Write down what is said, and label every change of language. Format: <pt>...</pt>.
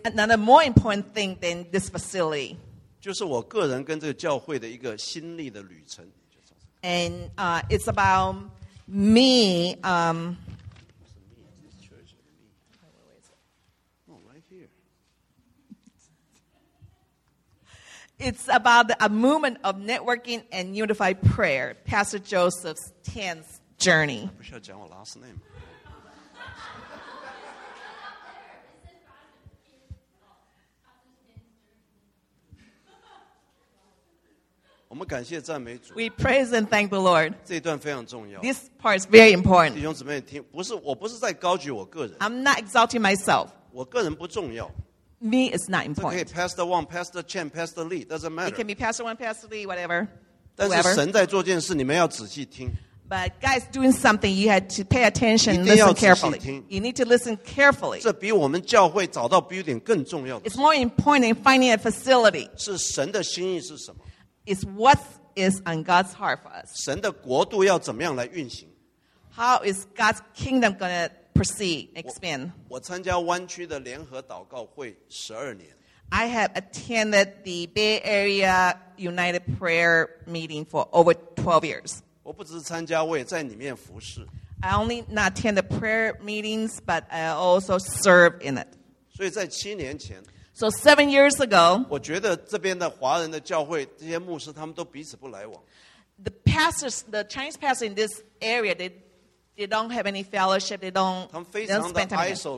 <en>another more important thing than this facility.</en> <zh>就是我个人跟这个教会的一个心力的旅程。And</zh> <en>it's about me. It's about a movement of networking and unified prayer, Pastor Joseph's 10th journey.</en> <zh>不需要讲我 last name. 我们感谢赞美主。</zh> <en>We praise and thank the Lord.</en> <zh>这一段非常重要。</zh> <en>This part is very important.</en> <zh>弟兄姊妹听, 不是, 我不是在高举我个人。</zh> <en>I'm not exalting myself.</en> <zh>我个人不重要。</zh> <en>Me is not important. Okay, Pastor Wang, Pastor Chen, Pastor Lee, doesn't matter. It can be Pastor Wang, Pastor Lee, whatever.</en> <zh>但是神在做件事，你们要仔细听。</zh> <en>But God is doing something. You had to pay attention and listen carefully. You need to listen carefully.</en> <zh>这比我们教会找到 building 更重要的。</zh> <en>It's more important in finding a facility.</en> <zh>是神的心意是什么？</zh> <en>It's what is on God's heart for us.</en> <zh>神的国度要怎么样来运行？</zh> <en>How is God's kingdom going to proceed and expand?</en> <zh>我参加湾区的联合祷告会12年。</zh> <en>I have attended the Bay Area United Prayer meeting for over 12 years.</en> <zh>我不只是参加，我也在里面服侍。</zh> <en>I only not attend the prayer meetings, but I also serve in it.</en> <zh>所以在七年前,</zh> <en>So 7 years ago,</en> <zh>我觉得这边的华人的教会，这些牧师他们都彼此不来往。</zh> <en>the pastors, the Chinese pastors in this area, they don't have any fellowship. They don't spend time.</en>